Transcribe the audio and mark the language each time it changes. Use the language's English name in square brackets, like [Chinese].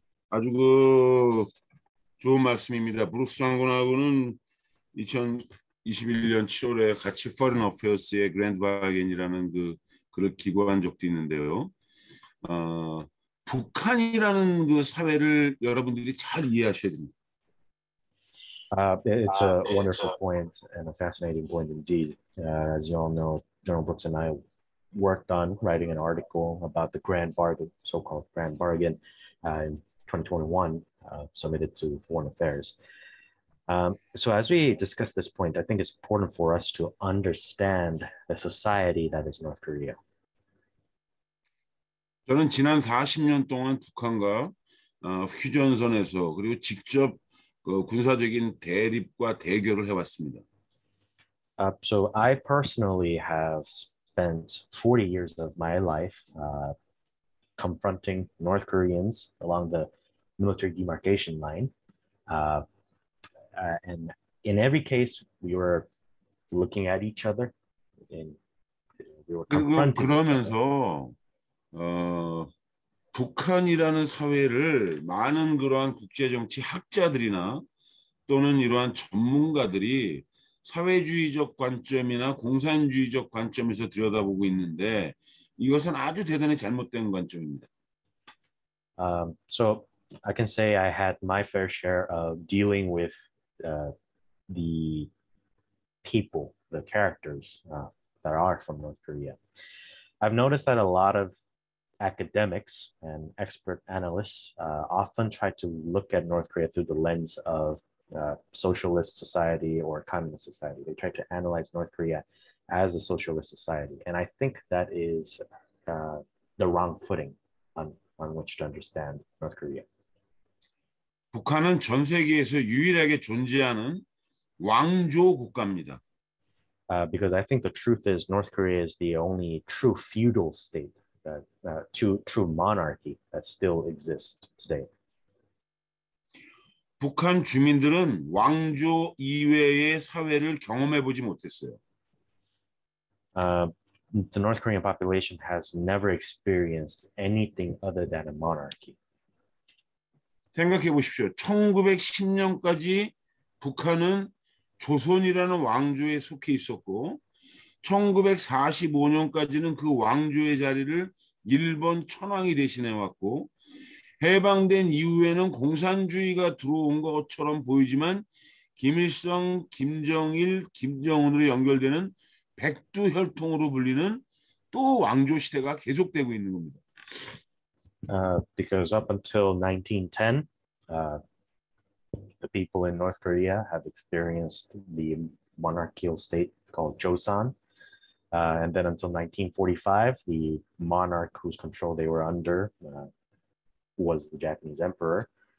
[Korean] 아주 그 좋은 말씀입니다. 브룩스 장군하고는 2021년 7월에 같이 Foreign Affairs의 Grand Bargain이라는 그 글을 기고한 적도 있는데요. 북한이라는 그 사회를 여러분들이 잘 이해하셔야 됩니다. [English] It's a wonderful point and a fascinating point indeed. As you all know, General Brooks and I worked on writing an article about the Grand Bargain, so-called Grand Bargain, in 2021. Submitted to Foreign Affairs. So as we discuss this point, I think it's important for us to understand the society that is North Korea. [Korean] 저는 지난 40년 동안 북한과 휴전선에서 그리고 직접 군사적인 대립과 대결을 해왔습니다. [English] So I personally have spent 40 years of my life confronting North Koreans along the military demarcation line. And in every case, we were looking at each other and we were confronting. [Korean] 그러면서 북한이라는 사회를 많은 그러한 국제정치 학자들이나 또는 이러한 전문가들이 사회주의적 관점이나 공산주의적 관점에서 들여다보고 있는데 이것은 아주 대단히 잘못된 관점입니다. [English] So I can say I had my fair share of dealing with the people, the characters that are from North Korea. I've noticed that a lot of academics and expert analysts often try to look at North Korea through the lens of socialist society or communist society. They try to analyze North Korea as a socialist society. And I think that is the wrong footing on which to understand North Korea. [Korean] 북한은 전 세계에서 유일하게 존재하는 왕조 국가입니다. [English] Because I think the truth is North Korea is the only true feudal state, true monarchy that still exists today. [Korean] 북한 주민들은 왕조 이외의 사회를 경험해 보지 못했어요. [English] The North Korean population has never experienced anything other than a monarchy. [Korean] 생각해 보십시오. 1910년까지 북한은 조선이라는 왕조에 속해 있었고 1945년까지는 그 왕조의 자리를 일본 천황이 대신해 왔고 해방된 이후에는 공산주의가 들어온 것처럼 보이지만 김일성, 김정일, 김정은으로 연결되는 백두혈통으로 불리는 또 왕조 시대가 계속되고 있는 겁니다. [English] Because up until 1910, the people in North Korea have experienced the monarchical state called Joseon. And then until 1945, the monarch whose control they were under was the Japanese emperor.